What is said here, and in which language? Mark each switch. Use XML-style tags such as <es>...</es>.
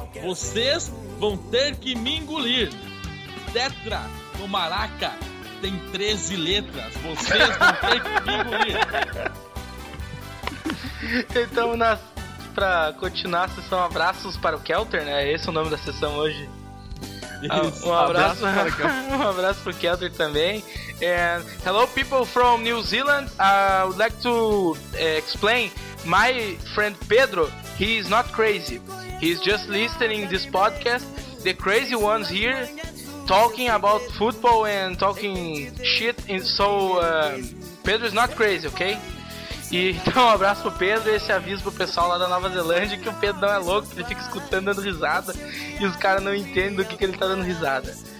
<pt>Vocês vão ter que me engolir. Tetra no Maraca tem 13 letras. Vocês vão ter que me engolir. Então, pra continuar a sessão, abraços para o Kelter, né? Esse é o nome da sessão hoje. Um abraço, pro Kelter também.</pt> <en>Hello people from New Zealand. I would like to explain my friend Pedro. He is not crazy. He is just listening this podcast. The crazy ones here talking about football and talking shit. And so Pedro is not crazy, okay?</en> <pt>Então um abraço pro Pedro. Esse aviso pro pessoal lá da Nova Zelândia que o Pedro não é louco. Ele fica escutando dando risada e os caras não entendem do que ele tá dando risada.</pt>